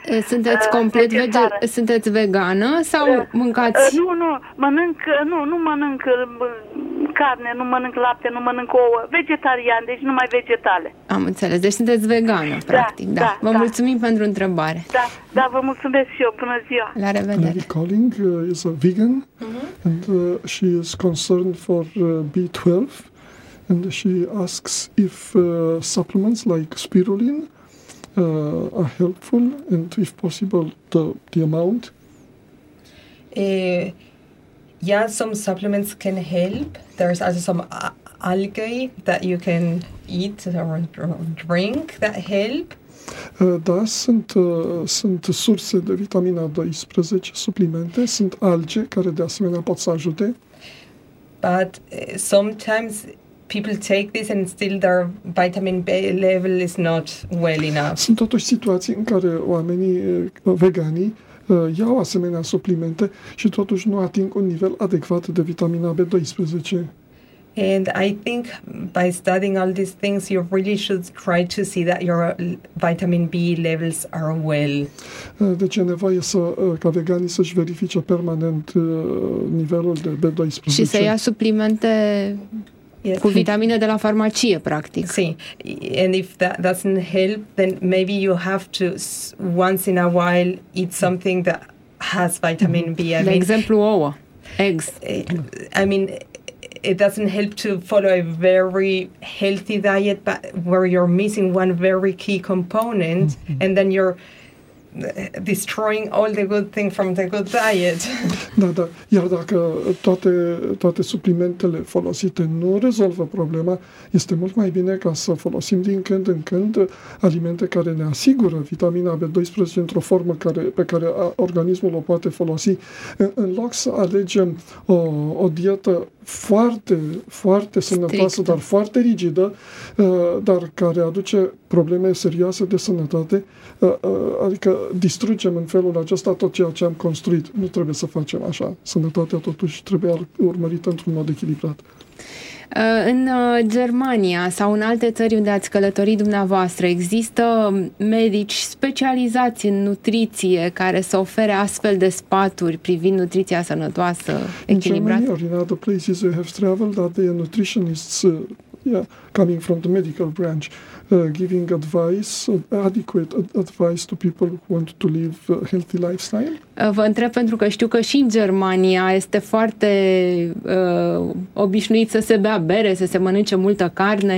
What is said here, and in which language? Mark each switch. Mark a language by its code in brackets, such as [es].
[ro] Sunteți complet sunteți vegană sau mâncați? Nu mănânc carne, nu mănânc lapte, nu mănânc ouă, vegetarian, deci numai vegetale. Am înțeles, deci sunteți vegană, practic, da. Da. Mulțumim pentru întrebare. Da, vă mulțumesc și eu. Bună ziua. La revedere. [en] Mary Colling is a vegan and she is concerned for B12 and she asks if supplements like spirulina are helpful and if possible the amount. Yeah, some supplements can help. There's also some algae that you can eat or drink that help. [ro] Da, sunt surse de vitamina 12, suplimente, sunt alge care de asemenea pot să ajute. [en] But sometimes people take this and still their vitamin B level is not well enough. [ro] Sunt totuși situații în care oamenii vegani iau asemenea suplimente și totuși nu ating un nivel adecvat de vitamina B12. [en] And I think by studying all these things, you really should try to see that your vitamin B levels are well. [ro] Deci e nevoie să, ca veganii să-și verifice permanent nivelul de B12. Și să ia suplimente cu vitamine de la farmacie, practic. Si. [en] And if that doesn't help, then maybe you have to once in a while eat something that has vitamin B. [ro] De exemplu, ouă. [en] Eggs. I mean, it doesn't help to follow a very healthy diet, but where you're missing one very key component, and then you're destroying all the good thing from the good diet. [ro] Da, da. Iar dacă toate suplimentele folosite nu rezolvă problema, este mult mai bine ca să folosim din când în când alimente care ne asigură vitamina B12 într-o formă pe care organismul o poate folosi. În loc să alegem o dietă foarte, foarte sănătoasă, strict, dar foarte rigidă, dar care aduce probleme serioase de sănătate, adică distrugem în felul acesta tot ceea ce am construit. Nu trebuie să facem așa. Sănătatea totuși trebuie urmărită într-un mod echilibrat. În Germania sau în alte țări unde ați călătorit dumneavoastră, există medici specializați în nutriție care să ofere astfel de sfaturi privind nutriția sănătoasă, echilibrată? In Germany, or in other places we have traveled, are there nutritionists coming from the medical branch giving advice, adequate advice to people who want to live a healthy lifestyle? Vă întreb pentru că știu că și în Germania este foarte obișnuit să se bea bere, să se mănânce multă carne.